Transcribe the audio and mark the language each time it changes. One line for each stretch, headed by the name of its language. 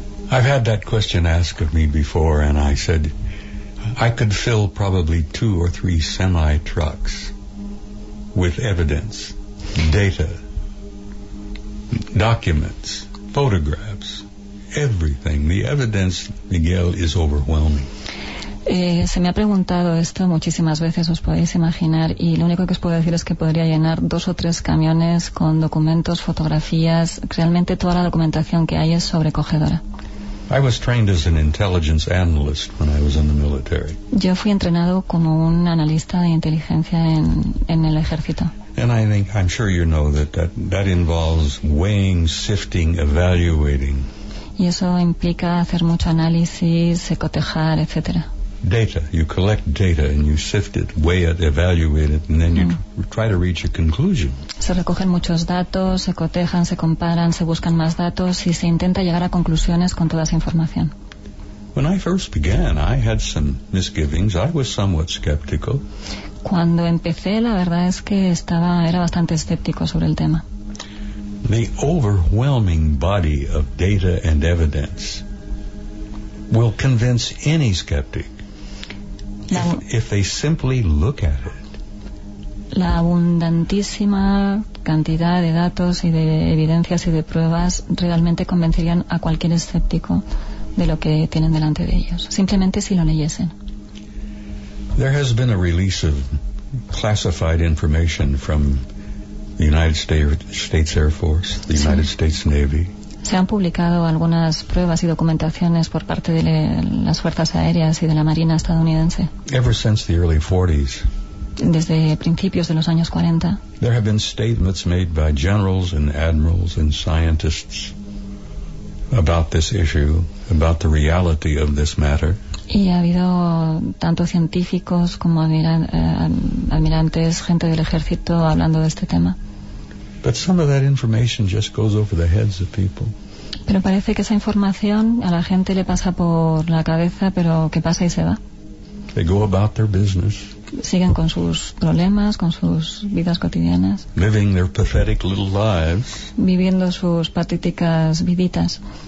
English: I've had that question asked of me before, and I said, I could fill probably two or three semi-trucks with evidence, data, documents, photographs, everything. The evidence, Miguel, is overwhelming.
Spanish: Se me ha preguntado esto muchísimas veces, os podéis imaginar, y lo único que os puedo decir es que podría llenar dos o tres camiones con documentos, fotografías, realmente toda la documentación que hay es sobrecogedora.
English: I was trained as an intelligence analyst when I was in the military.
Spanish: Yo fui entrenado como un analista de inteligencia en el ejército.
English: And I think, I'm sure you know that involves weighing, sifting, evaluating.
Spanish: Y eso implica hacer mucho análisis, cotejar, etc.
English: Data. You collect data and you sift it, weigh it, evaluate it, and then you try to reach a conclusion.
Spanish: Se recogen muchos datos, se cotejan, se comparan, se buscan más datos y se intenta llegar a conclusiones con toda esa información.
English: When I first began, I had some misgivings. I was somewhat skeptical.
Spanish: Cuando empecé, la verdad es que era bastante escéptico sobre el tema.
English: The overwhelming body of data and evidence will convince any skeptic. If they simply look at it.
Spanish: La abundantísima cantidad de datos y de evidencias y de pruebas realmente convencerían a cualquier escéptico de lo que tienen delante de ellos, simplemente si lo leyesen.
English: There has been a release of classified information from the United States Air Force, the
Spanish: sí.
English: United States Navy.
Spanish: Se han publicado algunas pruebas y documentaciones por parte de las Fuerzas Aéreas y de la Marina estadounidense.
English: Ever since the early 40s,
Spanish: desde principios de los años 40,
English: there have been statements made by generals and admirals and scientists about this issue, about the reality of this matter.
Spanish: Y ha habido tanto científicos como almirantes, gente del ejército, hablando de este tema.
English: But some of that information just goes over the heads of people.
Spanish: Pero parece que esa información a la gente le pasa por la cabeza, pero que pasa y se va.
English: They go about their business.
Spanish: Siguen con sus problemas, con sus vidas cotidianas.
English: Living their pathetic little lives.
Spanish: Viviendo sus patéticas viditas.